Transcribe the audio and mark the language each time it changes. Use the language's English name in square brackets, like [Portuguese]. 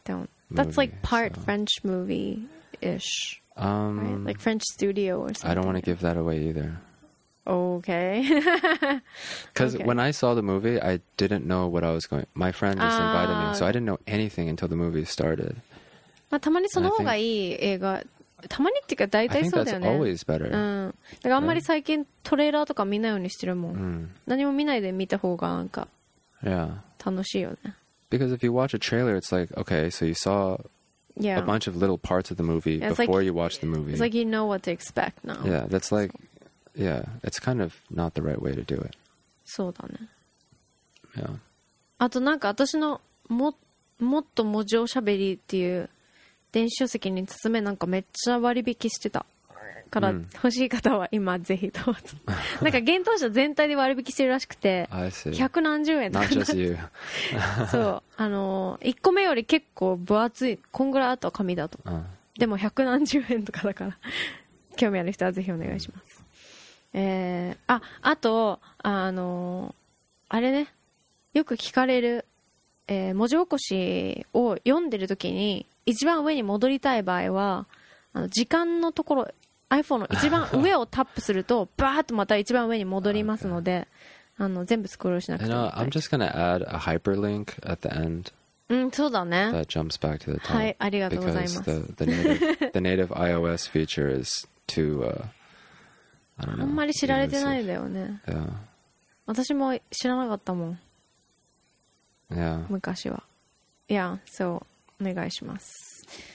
[English] don't. That's like part so. French movie-ish, right? Like French studio or something. I don't want to give that away either. Okay. Because okay. when I saw the movie, I didn't know what I was going... My friend just invited me, so I didn't know anything until the movie started. [Japanese] まあ、たまにその方がいい映画。たまにっていうか大体そうだよね。 [English] I think that's always better. [Japanese] うん。だからあんまり最近トレーラーとか見ないようにしてるもん。 Mm. 何も見ないで見た方がなんか楽しいよね。 [English] Yeah. Because if you watch a trailer, it's like, okay, so you saw a bunch of little parts of the movie before you watch the movie. It's like you know what to expect now. Yeah, that's like, Yeah, it's kind of not the right way to do it. [Japanese] そうだね。 [English] Yeah. [Japanese] あとなんか私のもっと文字おしゃべりっていう電子書籍に包めなんかめっちゃ割引してたから欲しい方は今ぜひどうぞ。なんか幻冬舎全体で割引してるらしくて、 [English] I see. [Japanese] 百何十円とか。 [English] Not just you. [Japanese] そう、1個目より結構分厚い、こんぐらいあった紙だと。でも百何十円とかだから興味ある人はぜひお願いします。あとあれね、よく聞かれる、文字起こしを読んでるときに一番上に戻りたい場合は、あの時間のところ iPhone の一番上をタップするとバーッとまた一番上に戻りますので、okay. 全部スクロールしなくても [English] I know, I'm just gonna add a hyperlink at the end. [Japanese] うん、そうだね。 [English] That jumps back to the top. [Japanese] はい、ありがとうございます。 [English] Because the native iOS feature is too [Japanese] あんまり知られてないんだよね。 [English] Yeah. [Japanese] 私も知らなかったもん。 [English] Yeah. [Japanese] 昔は。いや、そう、お願いします。